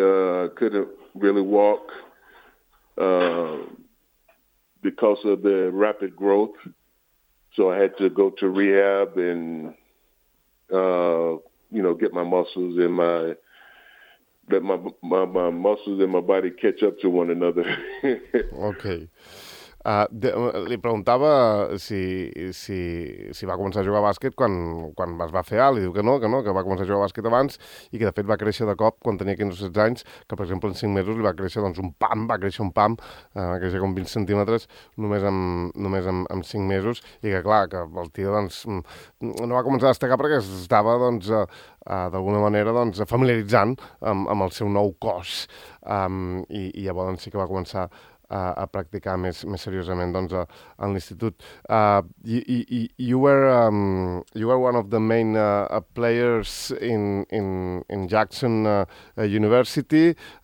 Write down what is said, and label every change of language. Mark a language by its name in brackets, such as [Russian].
[English] I couldn't really walk because of the rapid growth. So I had to go to rehab and, you know, get my muscles and my muscles and my body catch up to one another. Okay. [Catalan] Li preguntava si va començar a jugar bàsquet quan es va fer alt, i diu que va començar a jugar bàsquet abans i que de fet va créixer de cop quan tenia 15 o 16 anys, que per exemple en 5 mesos li va créixer va créixer com 20 centímetres només amb 5 mesos, i que clar, que el tio doncs no va començar a destacar perquè estava doncs d'alguna manera doncs familiaritzant amb el seu nou cos, i llavors doncs, sí que va començar a practicar més seriosament doncs en l'institut. [English] You were one of the main players in Jackson University.